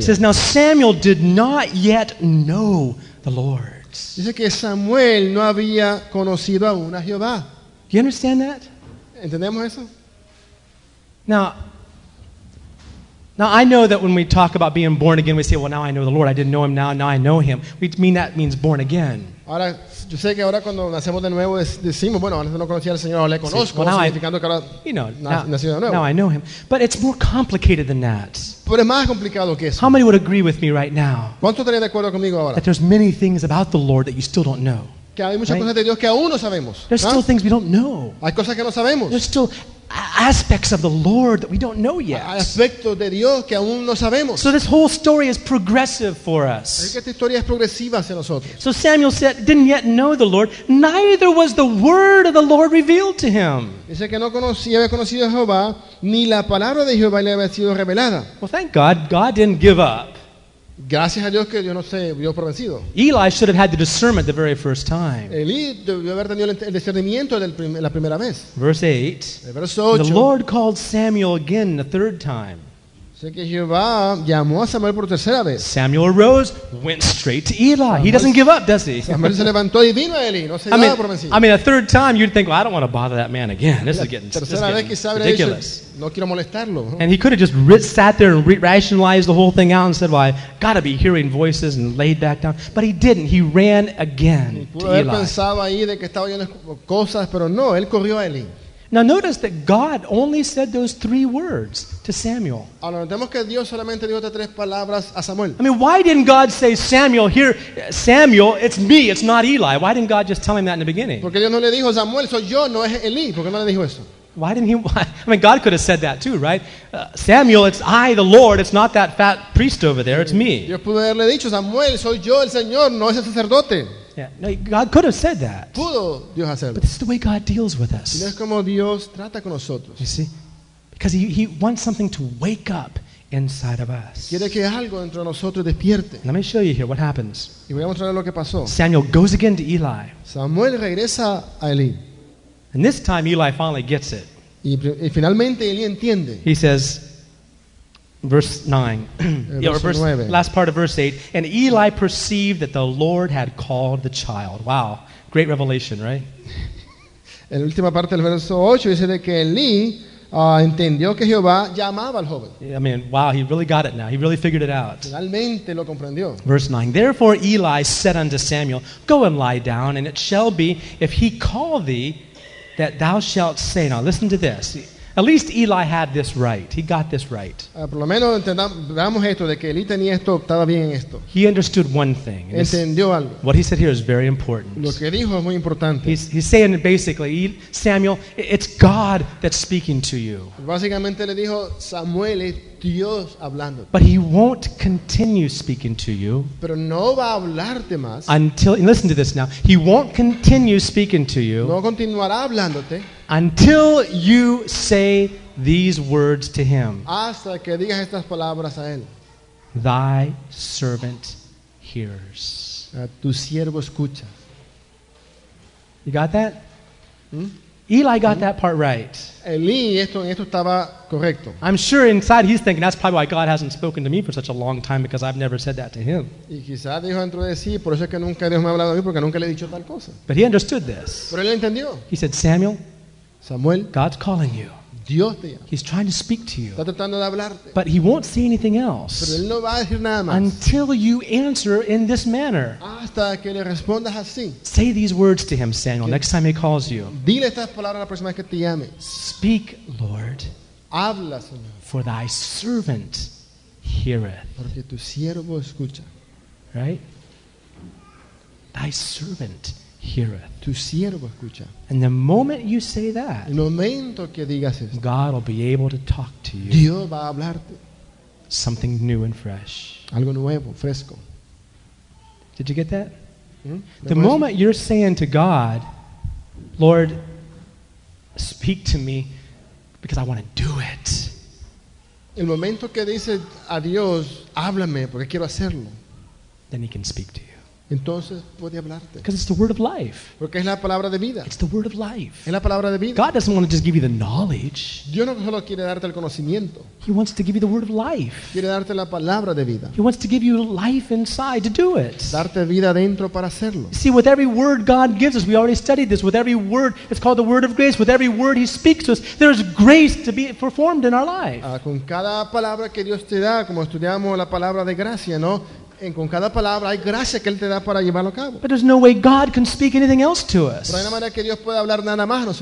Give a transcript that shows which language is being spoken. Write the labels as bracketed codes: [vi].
[en] It says, now Samuel did not yet know the Lord. [es] Dice que Samuel no había conocido aún a Jehová. [en] Do you understand that? [es] ¿Entendemos eso? [en] Now, I know that when we talk about being born again, we say, well, now I know the Lord. I didn't know him now I know him. We mean that means born again. [es] Ahora, yo sé que ahora cuando nacemos de nuevo decimos, bueno, antes no conocía al Señor, ahora le conozco, [en] well, [es] significando que ahora nací de nuevo. [en] Now I know him. But it's more complicated than that. [es] Pero es más complicado que eso. [en] How many would agree with me right now? [es] ¿Cuántos estarían de acuerdo conmigo ahora? [en] That there's many things about the Lord that you still don't know. [es] Que hay muchas cosas de Dios que aún no sabemos. [en] There's still things we don't know. [es] Hay cosas que no sabemos. [en] There's still aspects of the Lord that we don't know yet. [es] Hay aspectos de Dios que aún no sabemos. [en] So this whole story is progressive for us. [es] Es que esta historia es progresiva hacia nosotros. [en] So Samuel said, didn't yet know the Lord, neither was the word of the Lord revealed to him. [es] Dice que no conocía, había conocido a Jehová, ni la palabra de Jehová le había sido revelada. [en] Well, thank God, God didn't give up. [es] Gracias a Dios que Dios no se vio vencido. [en] Eli should have had the discernment the very first time. [es] Eli debió haber tenido el discernimiento la primera vez. [en] Verse 8. [es] Verso 8. [en] The Lord called Samuel again the third time. [es] Sé que Jehová llamó a Samuel por tercera vez. [en] Samuel arose, went straight to Eli. Samuel, he doesn't give up, does he? [es] Samuel se levantó y vino a Eli, no se dio por vencido. [en] I mean, a third time you'd think, well, I don't want to bother that man again. This is getting ridiculous. [es] No quiero molestarlo. [en] And he could have just sat there and rationalized the whole thing out and said, well, I've got to be hearing voices and laid back down. But he didn't. He ran again to Eli. Now notice that God only said those three words to Samuel. I mean, why didn't God say, Samuel, here, Samuel, it's me, it's not Eli. Why didn't God just tell him that in the beginning? [es] Porque Dios no le dijo, Samuel, soy yo, no es Eli. ¿Por qué no le dijo eso? [en] Why didn't he? I mean, God could have said that too, right? Samuel, it's I, the Lord. It's not that fat priest over there. It's me. [es] Dios pudo haberle dicho, Samuel, soy yo, el Señor, no ese sacerdote. [en] Yeah, no, God could have said that. [es] Pudo Dios hacerlo. [en] But this is the way God deals with us. [es] Y es como Dios trata con nosotros. [en] You see, because he wants something to wake up inside of us. [es] Quiere que algo dentro de nosotros despierte. [en] Let me show you here what happens. [es] Y voy a mostrarle lo que pasó. [en] Samuel goes again to Eli. [es] Samuel regresa a Eli. [en] And this time Eli finally gets it. [es] Y finalmente Eli entiende. [en] He says, verse 9. Last part of verse 8. And Eli perceived that the Lord had called the child. Wow. Great revelation, right? [es] La última parte del verso 8 dice de que Eli entendió que Jehová llamaba al joven. [en] I mean, wow, he really got it now. He really figured it out. [es] Finalmente lo comprendió. [en] Verse 9. Therefore Eli said unto Samuel, go and lie down, and it shall be, if he call thee, that thou shalt say. Now listen to this. At least Eli had this right. He got this right. [es] Por lo menos entendamos esto, de que Eli tenía esto, estaba bien esto. [en] He understood one thing. [es] Entendió algo. [en] What he said here is very important. [es] Lo que dijo es muy importante. [en] He's saying basically, Samuel, it's God that's speaking to you. [es] Básicamente le dijo, Samuel, es Dios hablando. [en] But he won't continue speaking to you. [es] Pero no va a hablarte más. [en] Until, and listen to this now, he won't continue speaking to you. [es] No continuará hablándote. [en] Until you say these words to him. [es] Hasta que digas estas palabras a él. [en] Thy servant hears. [es] Tu siervo escucha. [en] You got that? Eli got that part right. [es] Eli, esto estaba correcto. [en] I'm sure inside he's thinking, that's probably why God hasn't spoken to me for such a long time, because I've never said that to him. [es] Y quizás dijo dentro de sí, por eso es que nunca Dios me ha hablado a mí, porque nunca le he dicho tal cosa. [en] But he understood this. [es] Pero él entendió. [en] He said, Samuel, [es] Samuel, [en] God's calling you. [es] Dios te llama. [en] He's trying to speak to you. [es] Está tratando de hablarte. [en] But he won't say anything else. [es] Pero él no va a decir nada más. [en] Until you answer in this manner. [es] Hasta que le respondas así. [en] Say these words to him, Samuel, next time he calls you. [es] Dile estas palabras la próxima vez que te llame. [en] Speak, Lord. [es] Habla, Señor. [en] For thy servant heareth. [es] Porque tu siervo escucha. [en] Right? Thy servant heareth. [es] Tu siervo escucha. [en] And the moment you say that, [es] el momento que digas esto, [en] God will be able to talk to you. [es] Dios va a hablarte. [en] Something new and fresh. [es] Algo nuevo, fresco. [en] Did you get that? The moment you're saying to God, Lord, speak to me because I want to do it. [es] El momento que dices a Dios, háblame porque quiero hacerlo. [en] Then he can speak to you. [es] Entonces puede hablarte. [en] Because it's the word of life. [es] Porque es la palabra de vida. [en] It's the word of life. [es] Es la palabra de vida. [en] God doesn't want to just give you the knowledge. [es] Dios no solo quiere darte el conocimiento. [en] He wants to give you the word of life. [es] Quiere darte la palabra de vida. [en] He wants to give you life inside to do it. [es] Darte vida dentro para hacerlo. [en] See, with every word God gives us, we already studied this, with every word, it's called the word of grace, with every word he speaks to us, there is grace to be performed in our life. [es] Con cada palabra que Dios te da, como estudiamos la palabra de gracia, ¿no? Con cada palabra hay gracia que él te da para llevarlo a cabo. But there's no way God can speak anything else to us. Pero hay una manera que Dios puede hablar nada más a nosotros.